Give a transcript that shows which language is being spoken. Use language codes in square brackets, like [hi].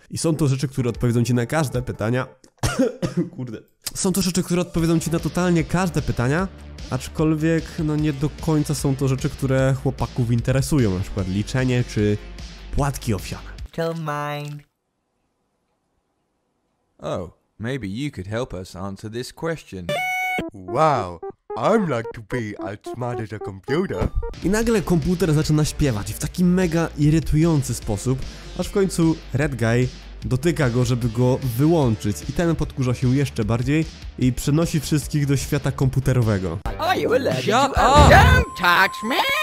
[pl] I są to rzeczy, które odpowiedzą ci na każde pytania. Kurde. Są to rzeczy, które odpowiedzą ci na totalnie każde pytania, aczkolwiek no nie do końca są to rzeczy, które chłopaków interesują, na przykład liczenie czy płatki owsiane. [en] To mine. Oh. Maybe you could help us answer this question. Wow, I'm like to be as smart as a computer. [pl] I nagle komputer zaczyna śpiewać w taki mega irytujący sposób, aż w końcu Red Guy dotyka go, żeby go wyłączyć. I ten podkurza się jeszcze bardziej i przenosi wszystkich do świata komputerowego. [en] Are you allergic? Don't touch me!